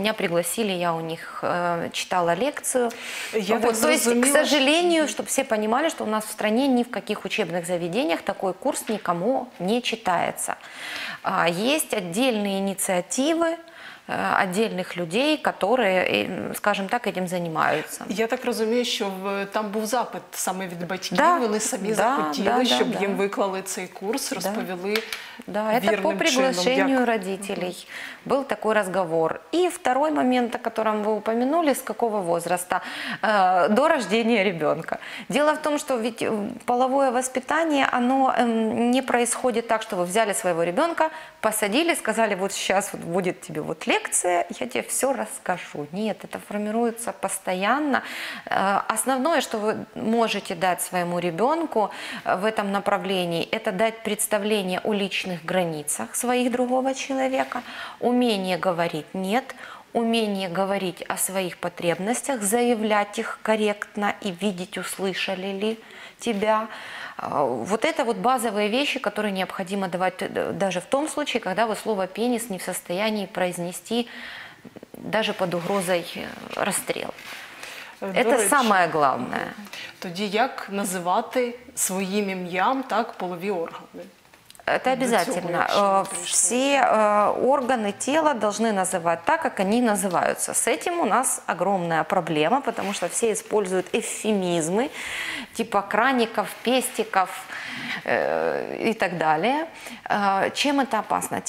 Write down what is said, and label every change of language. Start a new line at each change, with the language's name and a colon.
Russian: Меня пригласили, я у них читала лекцию. То есть, к сожалению, чтобы все понимали, что у нас в стране ни в каких учебных заведениях такой курс никому не читается. Есть отдельные инициативы отдельных людей, которые, скажем так, этим занимаются.
Ukrainian: Я так розумію, що там був запит саме від батьків, да, вони самі захотіли, щоб їм виклали цей курс, розповіли вірним чином.
Russian: Да, это по приглашению родителей был такой разговор. И второй момент, о котором вы упомянули, с какого возраста? До рождения ребенка. Дело в том, что ведь половое воспитание, оно не происходит так, что вы взяли своего ребенка, посадили, сказали, вот сейчас вот будет тебе вот лекция, я тебе все расскажу. Нет, это формируется постоянно. Основное, что вы можете дать своему ребенку в этом направлении, это дать представление о личных границах своих другого человека, умение говорить «нет», умение говорить о своих потребностях, заявлять их корректно и видеть, услышали ли тебя. Вот это вот базовые вещи, которые необходимо давать даже в том случае, когда вы слово «пенис» не в состоянии произнести даже под угрозой расстрел. Это самое главное.
Ukrainian: Тоді як називати своїм ім'ям так полові органи?
Russian: Это обязательно. Все органы тела должны называть так, как они называются. С этим у нас огромная проблема, потому что все используют эвфемизмы, типа краников, пестиков и так далее. Чем это опасно?